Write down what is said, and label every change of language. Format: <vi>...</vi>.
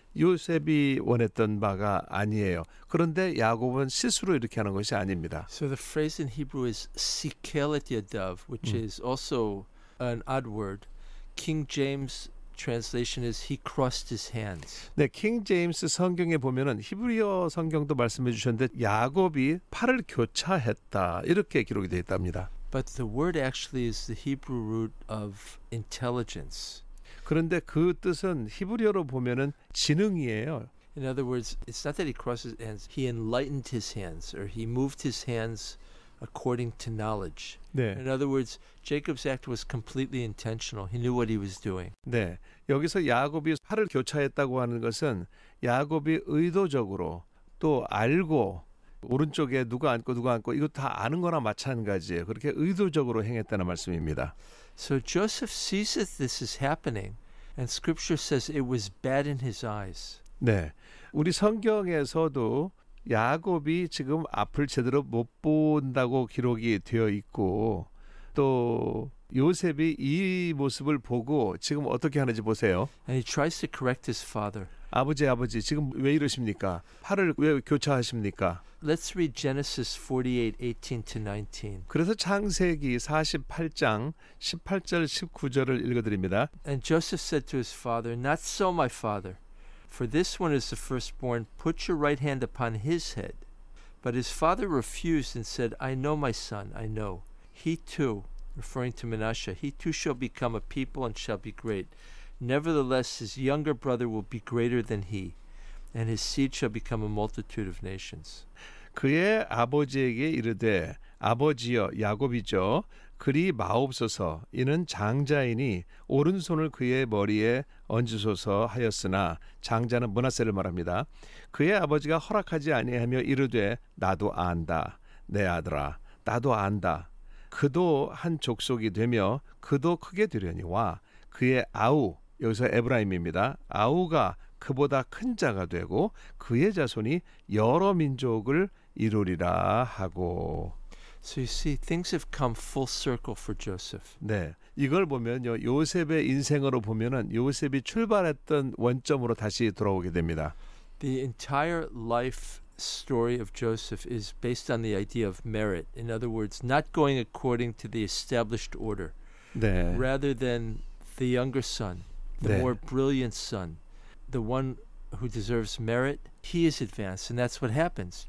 <ko>요셉이 원했던 바가 아니에요. 그런데 야곱은 실수로 이렇게 하는 것이 아닙니다.</ko> <en>So the phrase in Hebrew is</en> <he>sikel et yadav,</he> <en>which is also an odd word. King James translation is he crossed his hands.</en> <ko>네, King James 성경에 보면은 히브리어 성경도 말씀해 주셨는데 야곱이 팔을 교차했다 이렇게 기록이 되어 있답니다.</ko> <en>But the word actually is the Hebrew root of intelligence.</en> <ko>그런데 그 뜻은 히브리어로 보면은 지능이에요.</ko> <en>In other words, it's not that he crossed his hands. He enlightened his hands, or he moved his hands according to knowledge.</en> <ko>네.</ko> <en>In other words, Jacob's act was completely intentional. He knew what he was doing.</en> <ko>네. 여기서 야곱이 팔을 교차했다고 하는 것은 야곱이 의도적으로 또 알고 오른쪽에 누가 앉고 누가 앉고 이거 다 아는 거나 마찬가지예요. 그렇게 의도적으로 행했다는 말씀입니다.</ko> <en>So Joseph sees that this is happening and scripture says it was bad in his eyes.</en> <ko>네. 우리 성경에서도 야곱이 지금 앞을 제대로 못 본다고 기록이 되어 있고 또 요셉이 이 모습을 보고 지금 어떻게 하는지 보세요.</ko> <en>And he tries to correct his father.</en> <ko>아버지 아버지 지금 왜 이러십니까? 팔을 왜 교차하십니까?</ko> <en>Let's read Genesis 48:18-19.</en> <ko>그래서 창세기 48장 18절 19절을 읽어드립니다.</ko> <en>And Joseph said to his father, Not so, my father. For this one is the firstborn, put your right hand upon his head. But his father refused and said, I know, my son, I know. He too, referring to Manasseh, he too shall become a people and shall be great. Nevertheless, his younger brother will be greater than he, and his seed shall become a multitude of nations.</en> <ko>그의 아버지에게 이르되, 아버지여, 야곱이죠. 그리 마옵소서, 이는 장자이니 오른손을 그의 머리에 얹으소서 하였으나 장자는 므낫세를 말합니다. 그의 아버지가 허락하지 아니하며 이르되 나도 안다. 내 아들아 나도 안다. 그도 한 족속이 되며 그도 크게 되려니와 그의 아우 여기서 에브라임입니다. 아우가 그보다 큰 자가 되고 그의 자손이 여러 민족을 이루리라 하고</ko> <en>So you see, things have come full circle for Joseph.</en> <ko>네, 이걸 보면요, 요셉의 인생으로 보면은 요셉이 출발했던 원점으로 다시 돌아오게 됩니다.</ko> <en>The entire life story of Joseph is based on the idea of merit. In other words, not going according to the established order.</en> <ko>네.</ko> <en>Rather than the younger son, the</en> <ko>네.</ko> <en>more brilliant son, the one who deserves merit, he is advanced. And that's what happens.</en>